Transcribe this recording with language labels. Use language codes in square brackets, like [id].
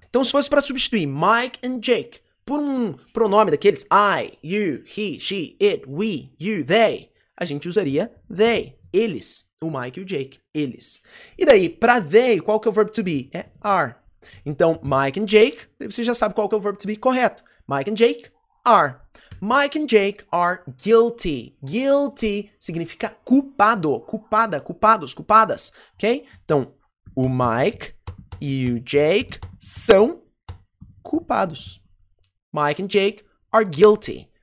[pt] Então, se fosse para substituir Mike and Jake por um pronome daqueles I, you, he, she, it, we, you, they, a gente usaria they, eles, o Mike e o Jake, eles. E daí, para they, qual que é o verb to be? É are. Então, Mike and Jake, você já sabe qual que é o verb to be correto. [en] Mike and Jake are. Mike and Jake are guilty. [pt] Guilty significa culpado, culpada, culpados, culpadas, ok? Então, o Mike e o Jake são culpados. [en] Mike and Jake are guilty.